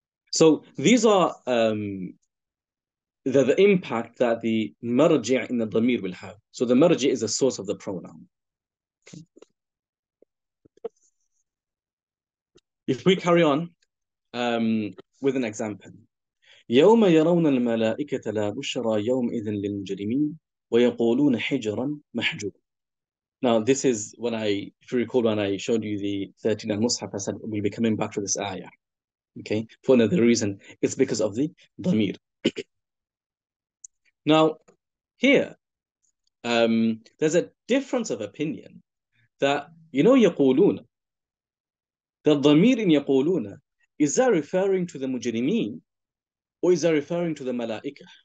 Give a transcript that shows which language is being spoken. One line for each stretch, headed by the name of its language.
English: So these are the impact that the marji' in the dhamir will have. So the marji' is the source of the pronoun. If we carry on with an example,
Arabic: يَوْمَ يَرَوْنَ الْمَلَائِكَةَ لَا بُشْرَى يَوْمَئِذٍ لِلْمُجْرِمِينَ وَيَقُولُونَ حِجْرًا مَحْجُورًا.
English: Now this is when I, if you recall, when I showed you the 13 al-Mus'haf, I said we'll be coming back to this ayah. Okay, for another reason, it's because of the dhamir. Now, here, there's a difference of opinion that, you know, يَقُولُونَ, the dhamir in يَقُولُونَ, is that referring to the mujrimeen or is that referring to the malaika?